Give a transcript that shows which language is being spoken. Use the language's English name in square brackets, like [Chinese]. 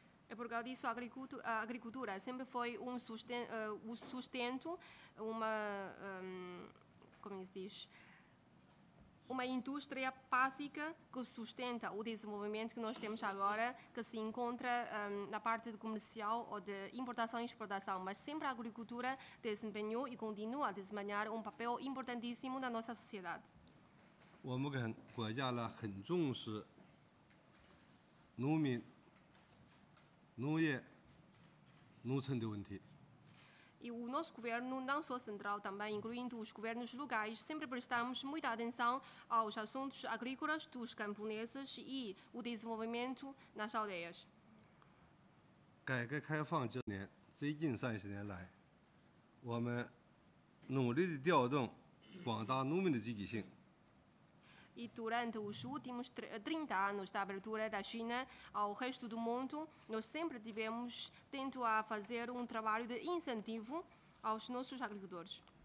[Portuguese] É por causa disso, a agricultura sempre foi uma indústria básica que sustenta o desenvolvimento que nós temos agora, que se encontra na parte de comercial ou de importação e exportação. Mas sempre a agricultura desempenhou e continua a desempenhar papel importantíssimo na nossa sociedade. Nós [Chinese] 农业、农村的问题。 [Portuguese] E o nosso governo, não só central, também incluindo os governos locais, sempre prestamos muita atenção aos assuntos agrícolas dos camponeses e o desenvolvimento nas aldeias. [Chinese] 改革开放九年，最近30年来，我们努力地调动广大农民的积极性。 [Portuguese] E durante os últimos 30 anos da abertura da China ao resto do mundo, nós sempre tivemos tento a fazer um trabalho de incentivo aos nossos agricultores.